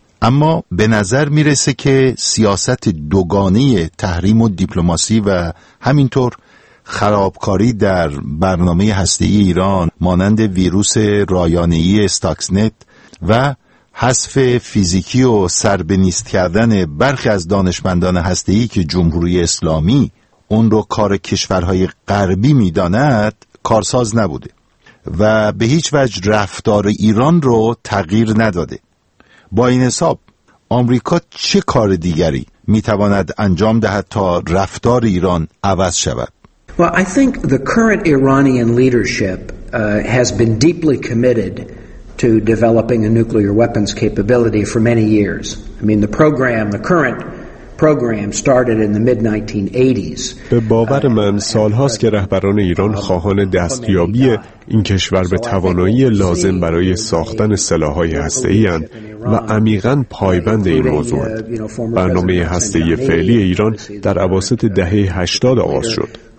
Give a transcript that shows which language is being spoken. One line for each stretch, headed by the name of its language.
Persian: اما به نظر میرسه که سیاست دوگانه تحریم و دیپلماسی و همینطور خرابکاری در برنامه هسته‌ای ایران مانند ویروس رایانه‌ای استاکسنت و حذف فیزیکی و سربنیست کردن برخی از دانشمندان هسته‌ای که جمهوری اسلامی اون رو کار کشورهای غربی میداند کارساز نبوده و به هیچ وجه رفتار ایران رو تغییر نداده. با این حساب آمریکا چه کار دیگری میتواند انجام دهد تا رفتار ایران عوض شود؟
English: I think the current Iranian leadership has been deeply committed to developing a nuclear weapons capability for many years. I mean the current program started in the mid 1980s.
Persian: به باور من سالهاست که رهبران ایران خواهان دستیابی این کشور به توانایی لازم برای ساختن سلاح‌های هسته‌ای‌اند و عمیقاً پایبند این موضوعند. برنامه هسته‌ای فعلی ایران در اواسط دهه 80 آغاز شد.